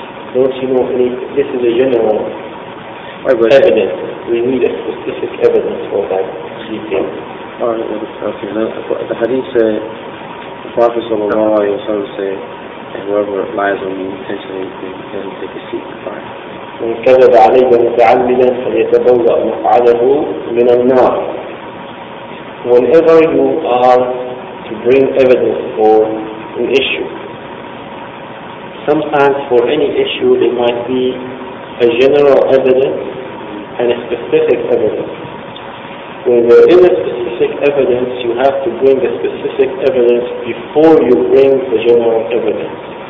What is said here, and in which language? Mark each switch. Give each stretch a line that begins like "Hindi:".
English: don't you know? This is a general evidence. We need a specific evidence for that detail. All right. Okay. Now, the hadith said, "The Prophet
Arabic: sallallahu alaihi wasallam
English: said, and whoever lies on me intentionally, he doesn't take a seat in the fire."
Arabic: من كذب علي متعمدا فليتبوأ مقعده من النار.
English: Whenever you are to bring evidence for an issue. Sometimes for any issue there might be a general evidence and a specific evidence. When there is a specific evidence, you have to bring the specific evidence before you bring the general evidence.